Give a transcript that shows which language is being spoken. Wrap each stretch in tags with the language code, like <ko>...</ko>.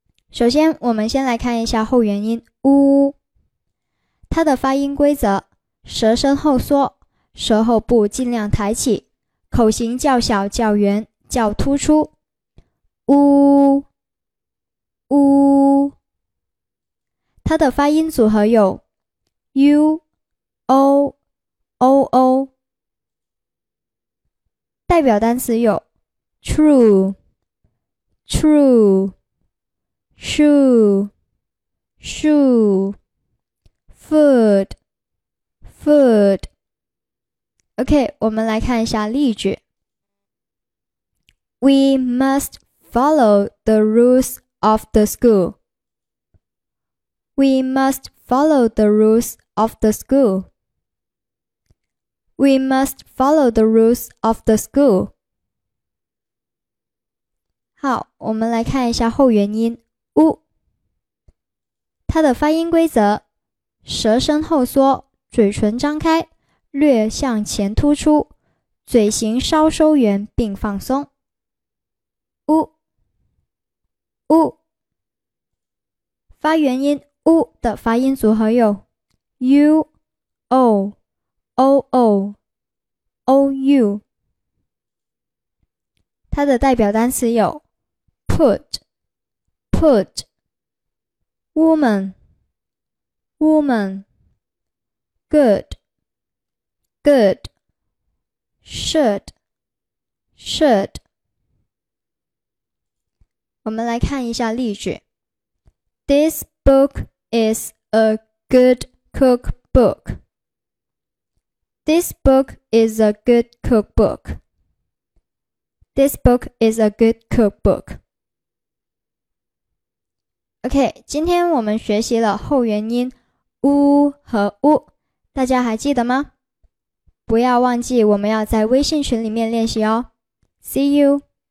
<zh>首先，我们先来看一下后元音呜。它的发音规则，舌身后缩，舌后部尽量抬起，口型较小较圆较突出。呜呜。它的发音组合有 UOOO， 代表单词有 True True Shoe Shoe Food Food。 OK， 我们来看一下例句。</zh> <en>We must follow the rules of the school. We must follow the rules of the school. We must follow the rules of the school.</en> <zh>好，我们来看一下后元音呜。它的发音规则，舌身后缩，嘴唇张开，略向前突出，嘴型稍收圆并放松。呜呜。发元音呜的发音组合有 UOOOOU。它的代表单词有 PutPut Woman Woman Good Good Shirt Shirt。我们来看一下例句。</zh> <en>This book is a good cookbook. This book is a good cookbook. This book is a good cookbook.</en> <zh>OK， 今天我们学习了后元音呜和呜，大家还记得吗？不要忘记我们要在微信群里面练习哦。</zh> <en>See you!</en>